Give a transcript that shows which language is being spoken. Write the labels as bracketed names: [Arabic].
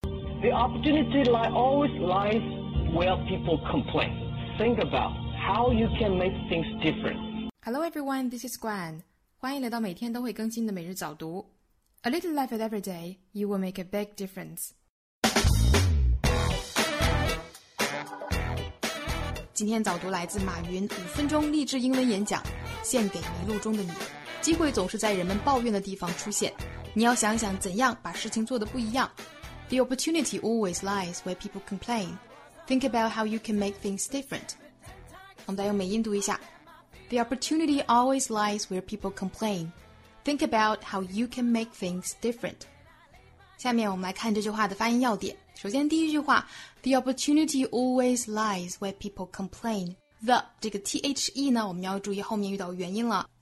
[English] The opportunity always lies where people complain. Think about how you can make things different. Hello everyone, this is Gwen. [Chinese] 欢迎来到每天都会更新的每日早读。 [English] A little effort every day, you will make a big difference. [Chinese] 今天早读来自马云五分钟励志英文演讲，献给迷路中的你。机会总是在人们抱怨的地方出现，你要想想怎样把事情做得不一样。 [English] The opportunity always lies where people complain. Think about how you can make things different. [Chinese] 我们再用美音读一下。 [English] The opportunity always lies where people complain. Think about how you can make things different. [Chinese] 下面我们来看这句话的发音要点。首先第一句话 [English] The opportunity always lies where people complain. [Chinese] The 这个 THE 呢，我们要注意后面遇到元音了。